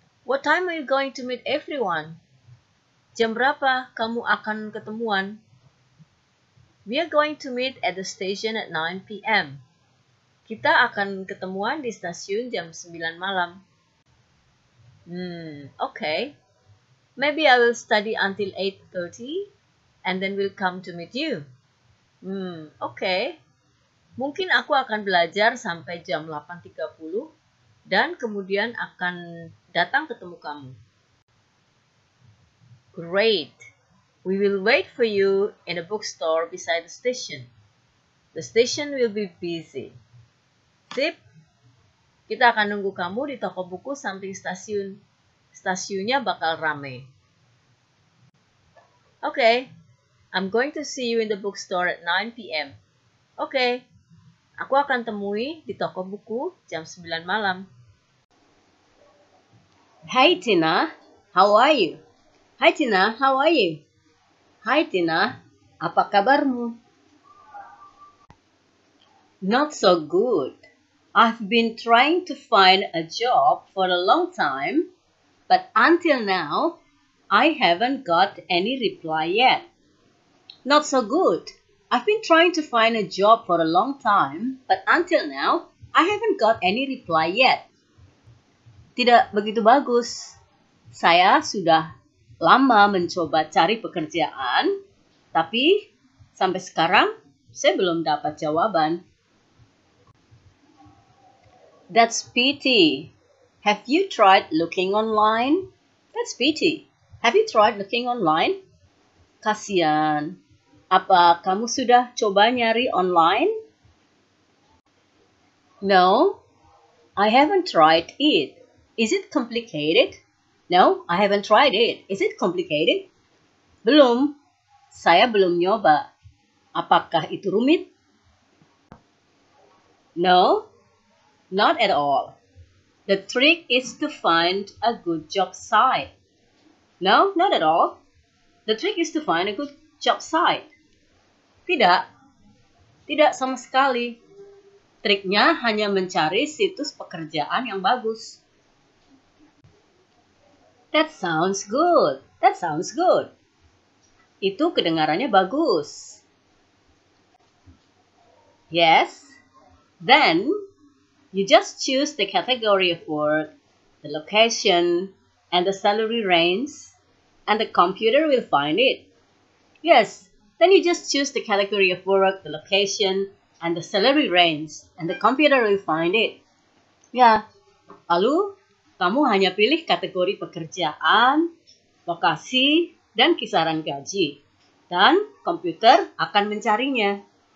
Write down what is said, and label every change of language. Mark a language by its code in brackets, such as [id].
[en] What time are you going to meet everyone? [id] Jam berapa kamu akan ketemuan? [en] We are going to meet at the station at 9 p.m. [id] Kita akan ketemuan di stasiun jam 9 malam. [en] Okay. Maybe I will study until 8:30 and then we'll come to meet you. Okay. [id] Mungkin aku akan belajar sampai jam 8:30 dan kemudian akan datang ketemu kamu. [en] Great. We will wait for you in a bookstore beside the station. The station will be busy. [id] Sip. Kita akan nunggu kamu di toko buku samping stasiun. Stasiunnya bakal ramai. [en] Okay, I'm going to see you in the bookstore at 9 p.m. [id] Okay, aku akan temui di toko buku jam 9 malam. [en] Hey Tina, how are you? Hi Tina, how are you? [id] Hi Tina, apa kabarmu? [en] Not so good. I've been trying to find a job for a long time, but until now, I haven't got any reply yet. Not so good. I've been trying to find a job for a long time, but until now, I haven't got any reply yet. [id] Tidak begitu bagus. Saya sudah lama mencoba cari pekerjaan, tapi sampai sekarang saya belum dapat jawaban. [en] That's pity. Have you tried looking online? That's pity. Have you tried looking online? [id] Kasian. Apa kamu sudah coba nyari online? [en] No, I haven't tried it. Is it complicated? No, I haven't tried it. Is it complicated? [id] Belum. Saya belum nyoba. Apakah itu rumit? [en] No, not at all. The trick is to find a good job site. No, not at all. The trick is to find a good job site. [id] Tidak. Tidak sama sekali. Triknya hanya mencari situs pekerjaan yang bagus. [en] That sounds good. That sounds good. [id] Itu kedengarannya bagus. [en] Yes. Then, you just choose the category of work, the location, and the salary range, and the computer will find it. Yes, then you just choose the category of work, the location, and the salary range, and the computer will find it. [id] Ya, lalu kamu hanya pilih kategori pekerjaan, lokasi, dan kisaran gaji, dan komputer akan mencarinya.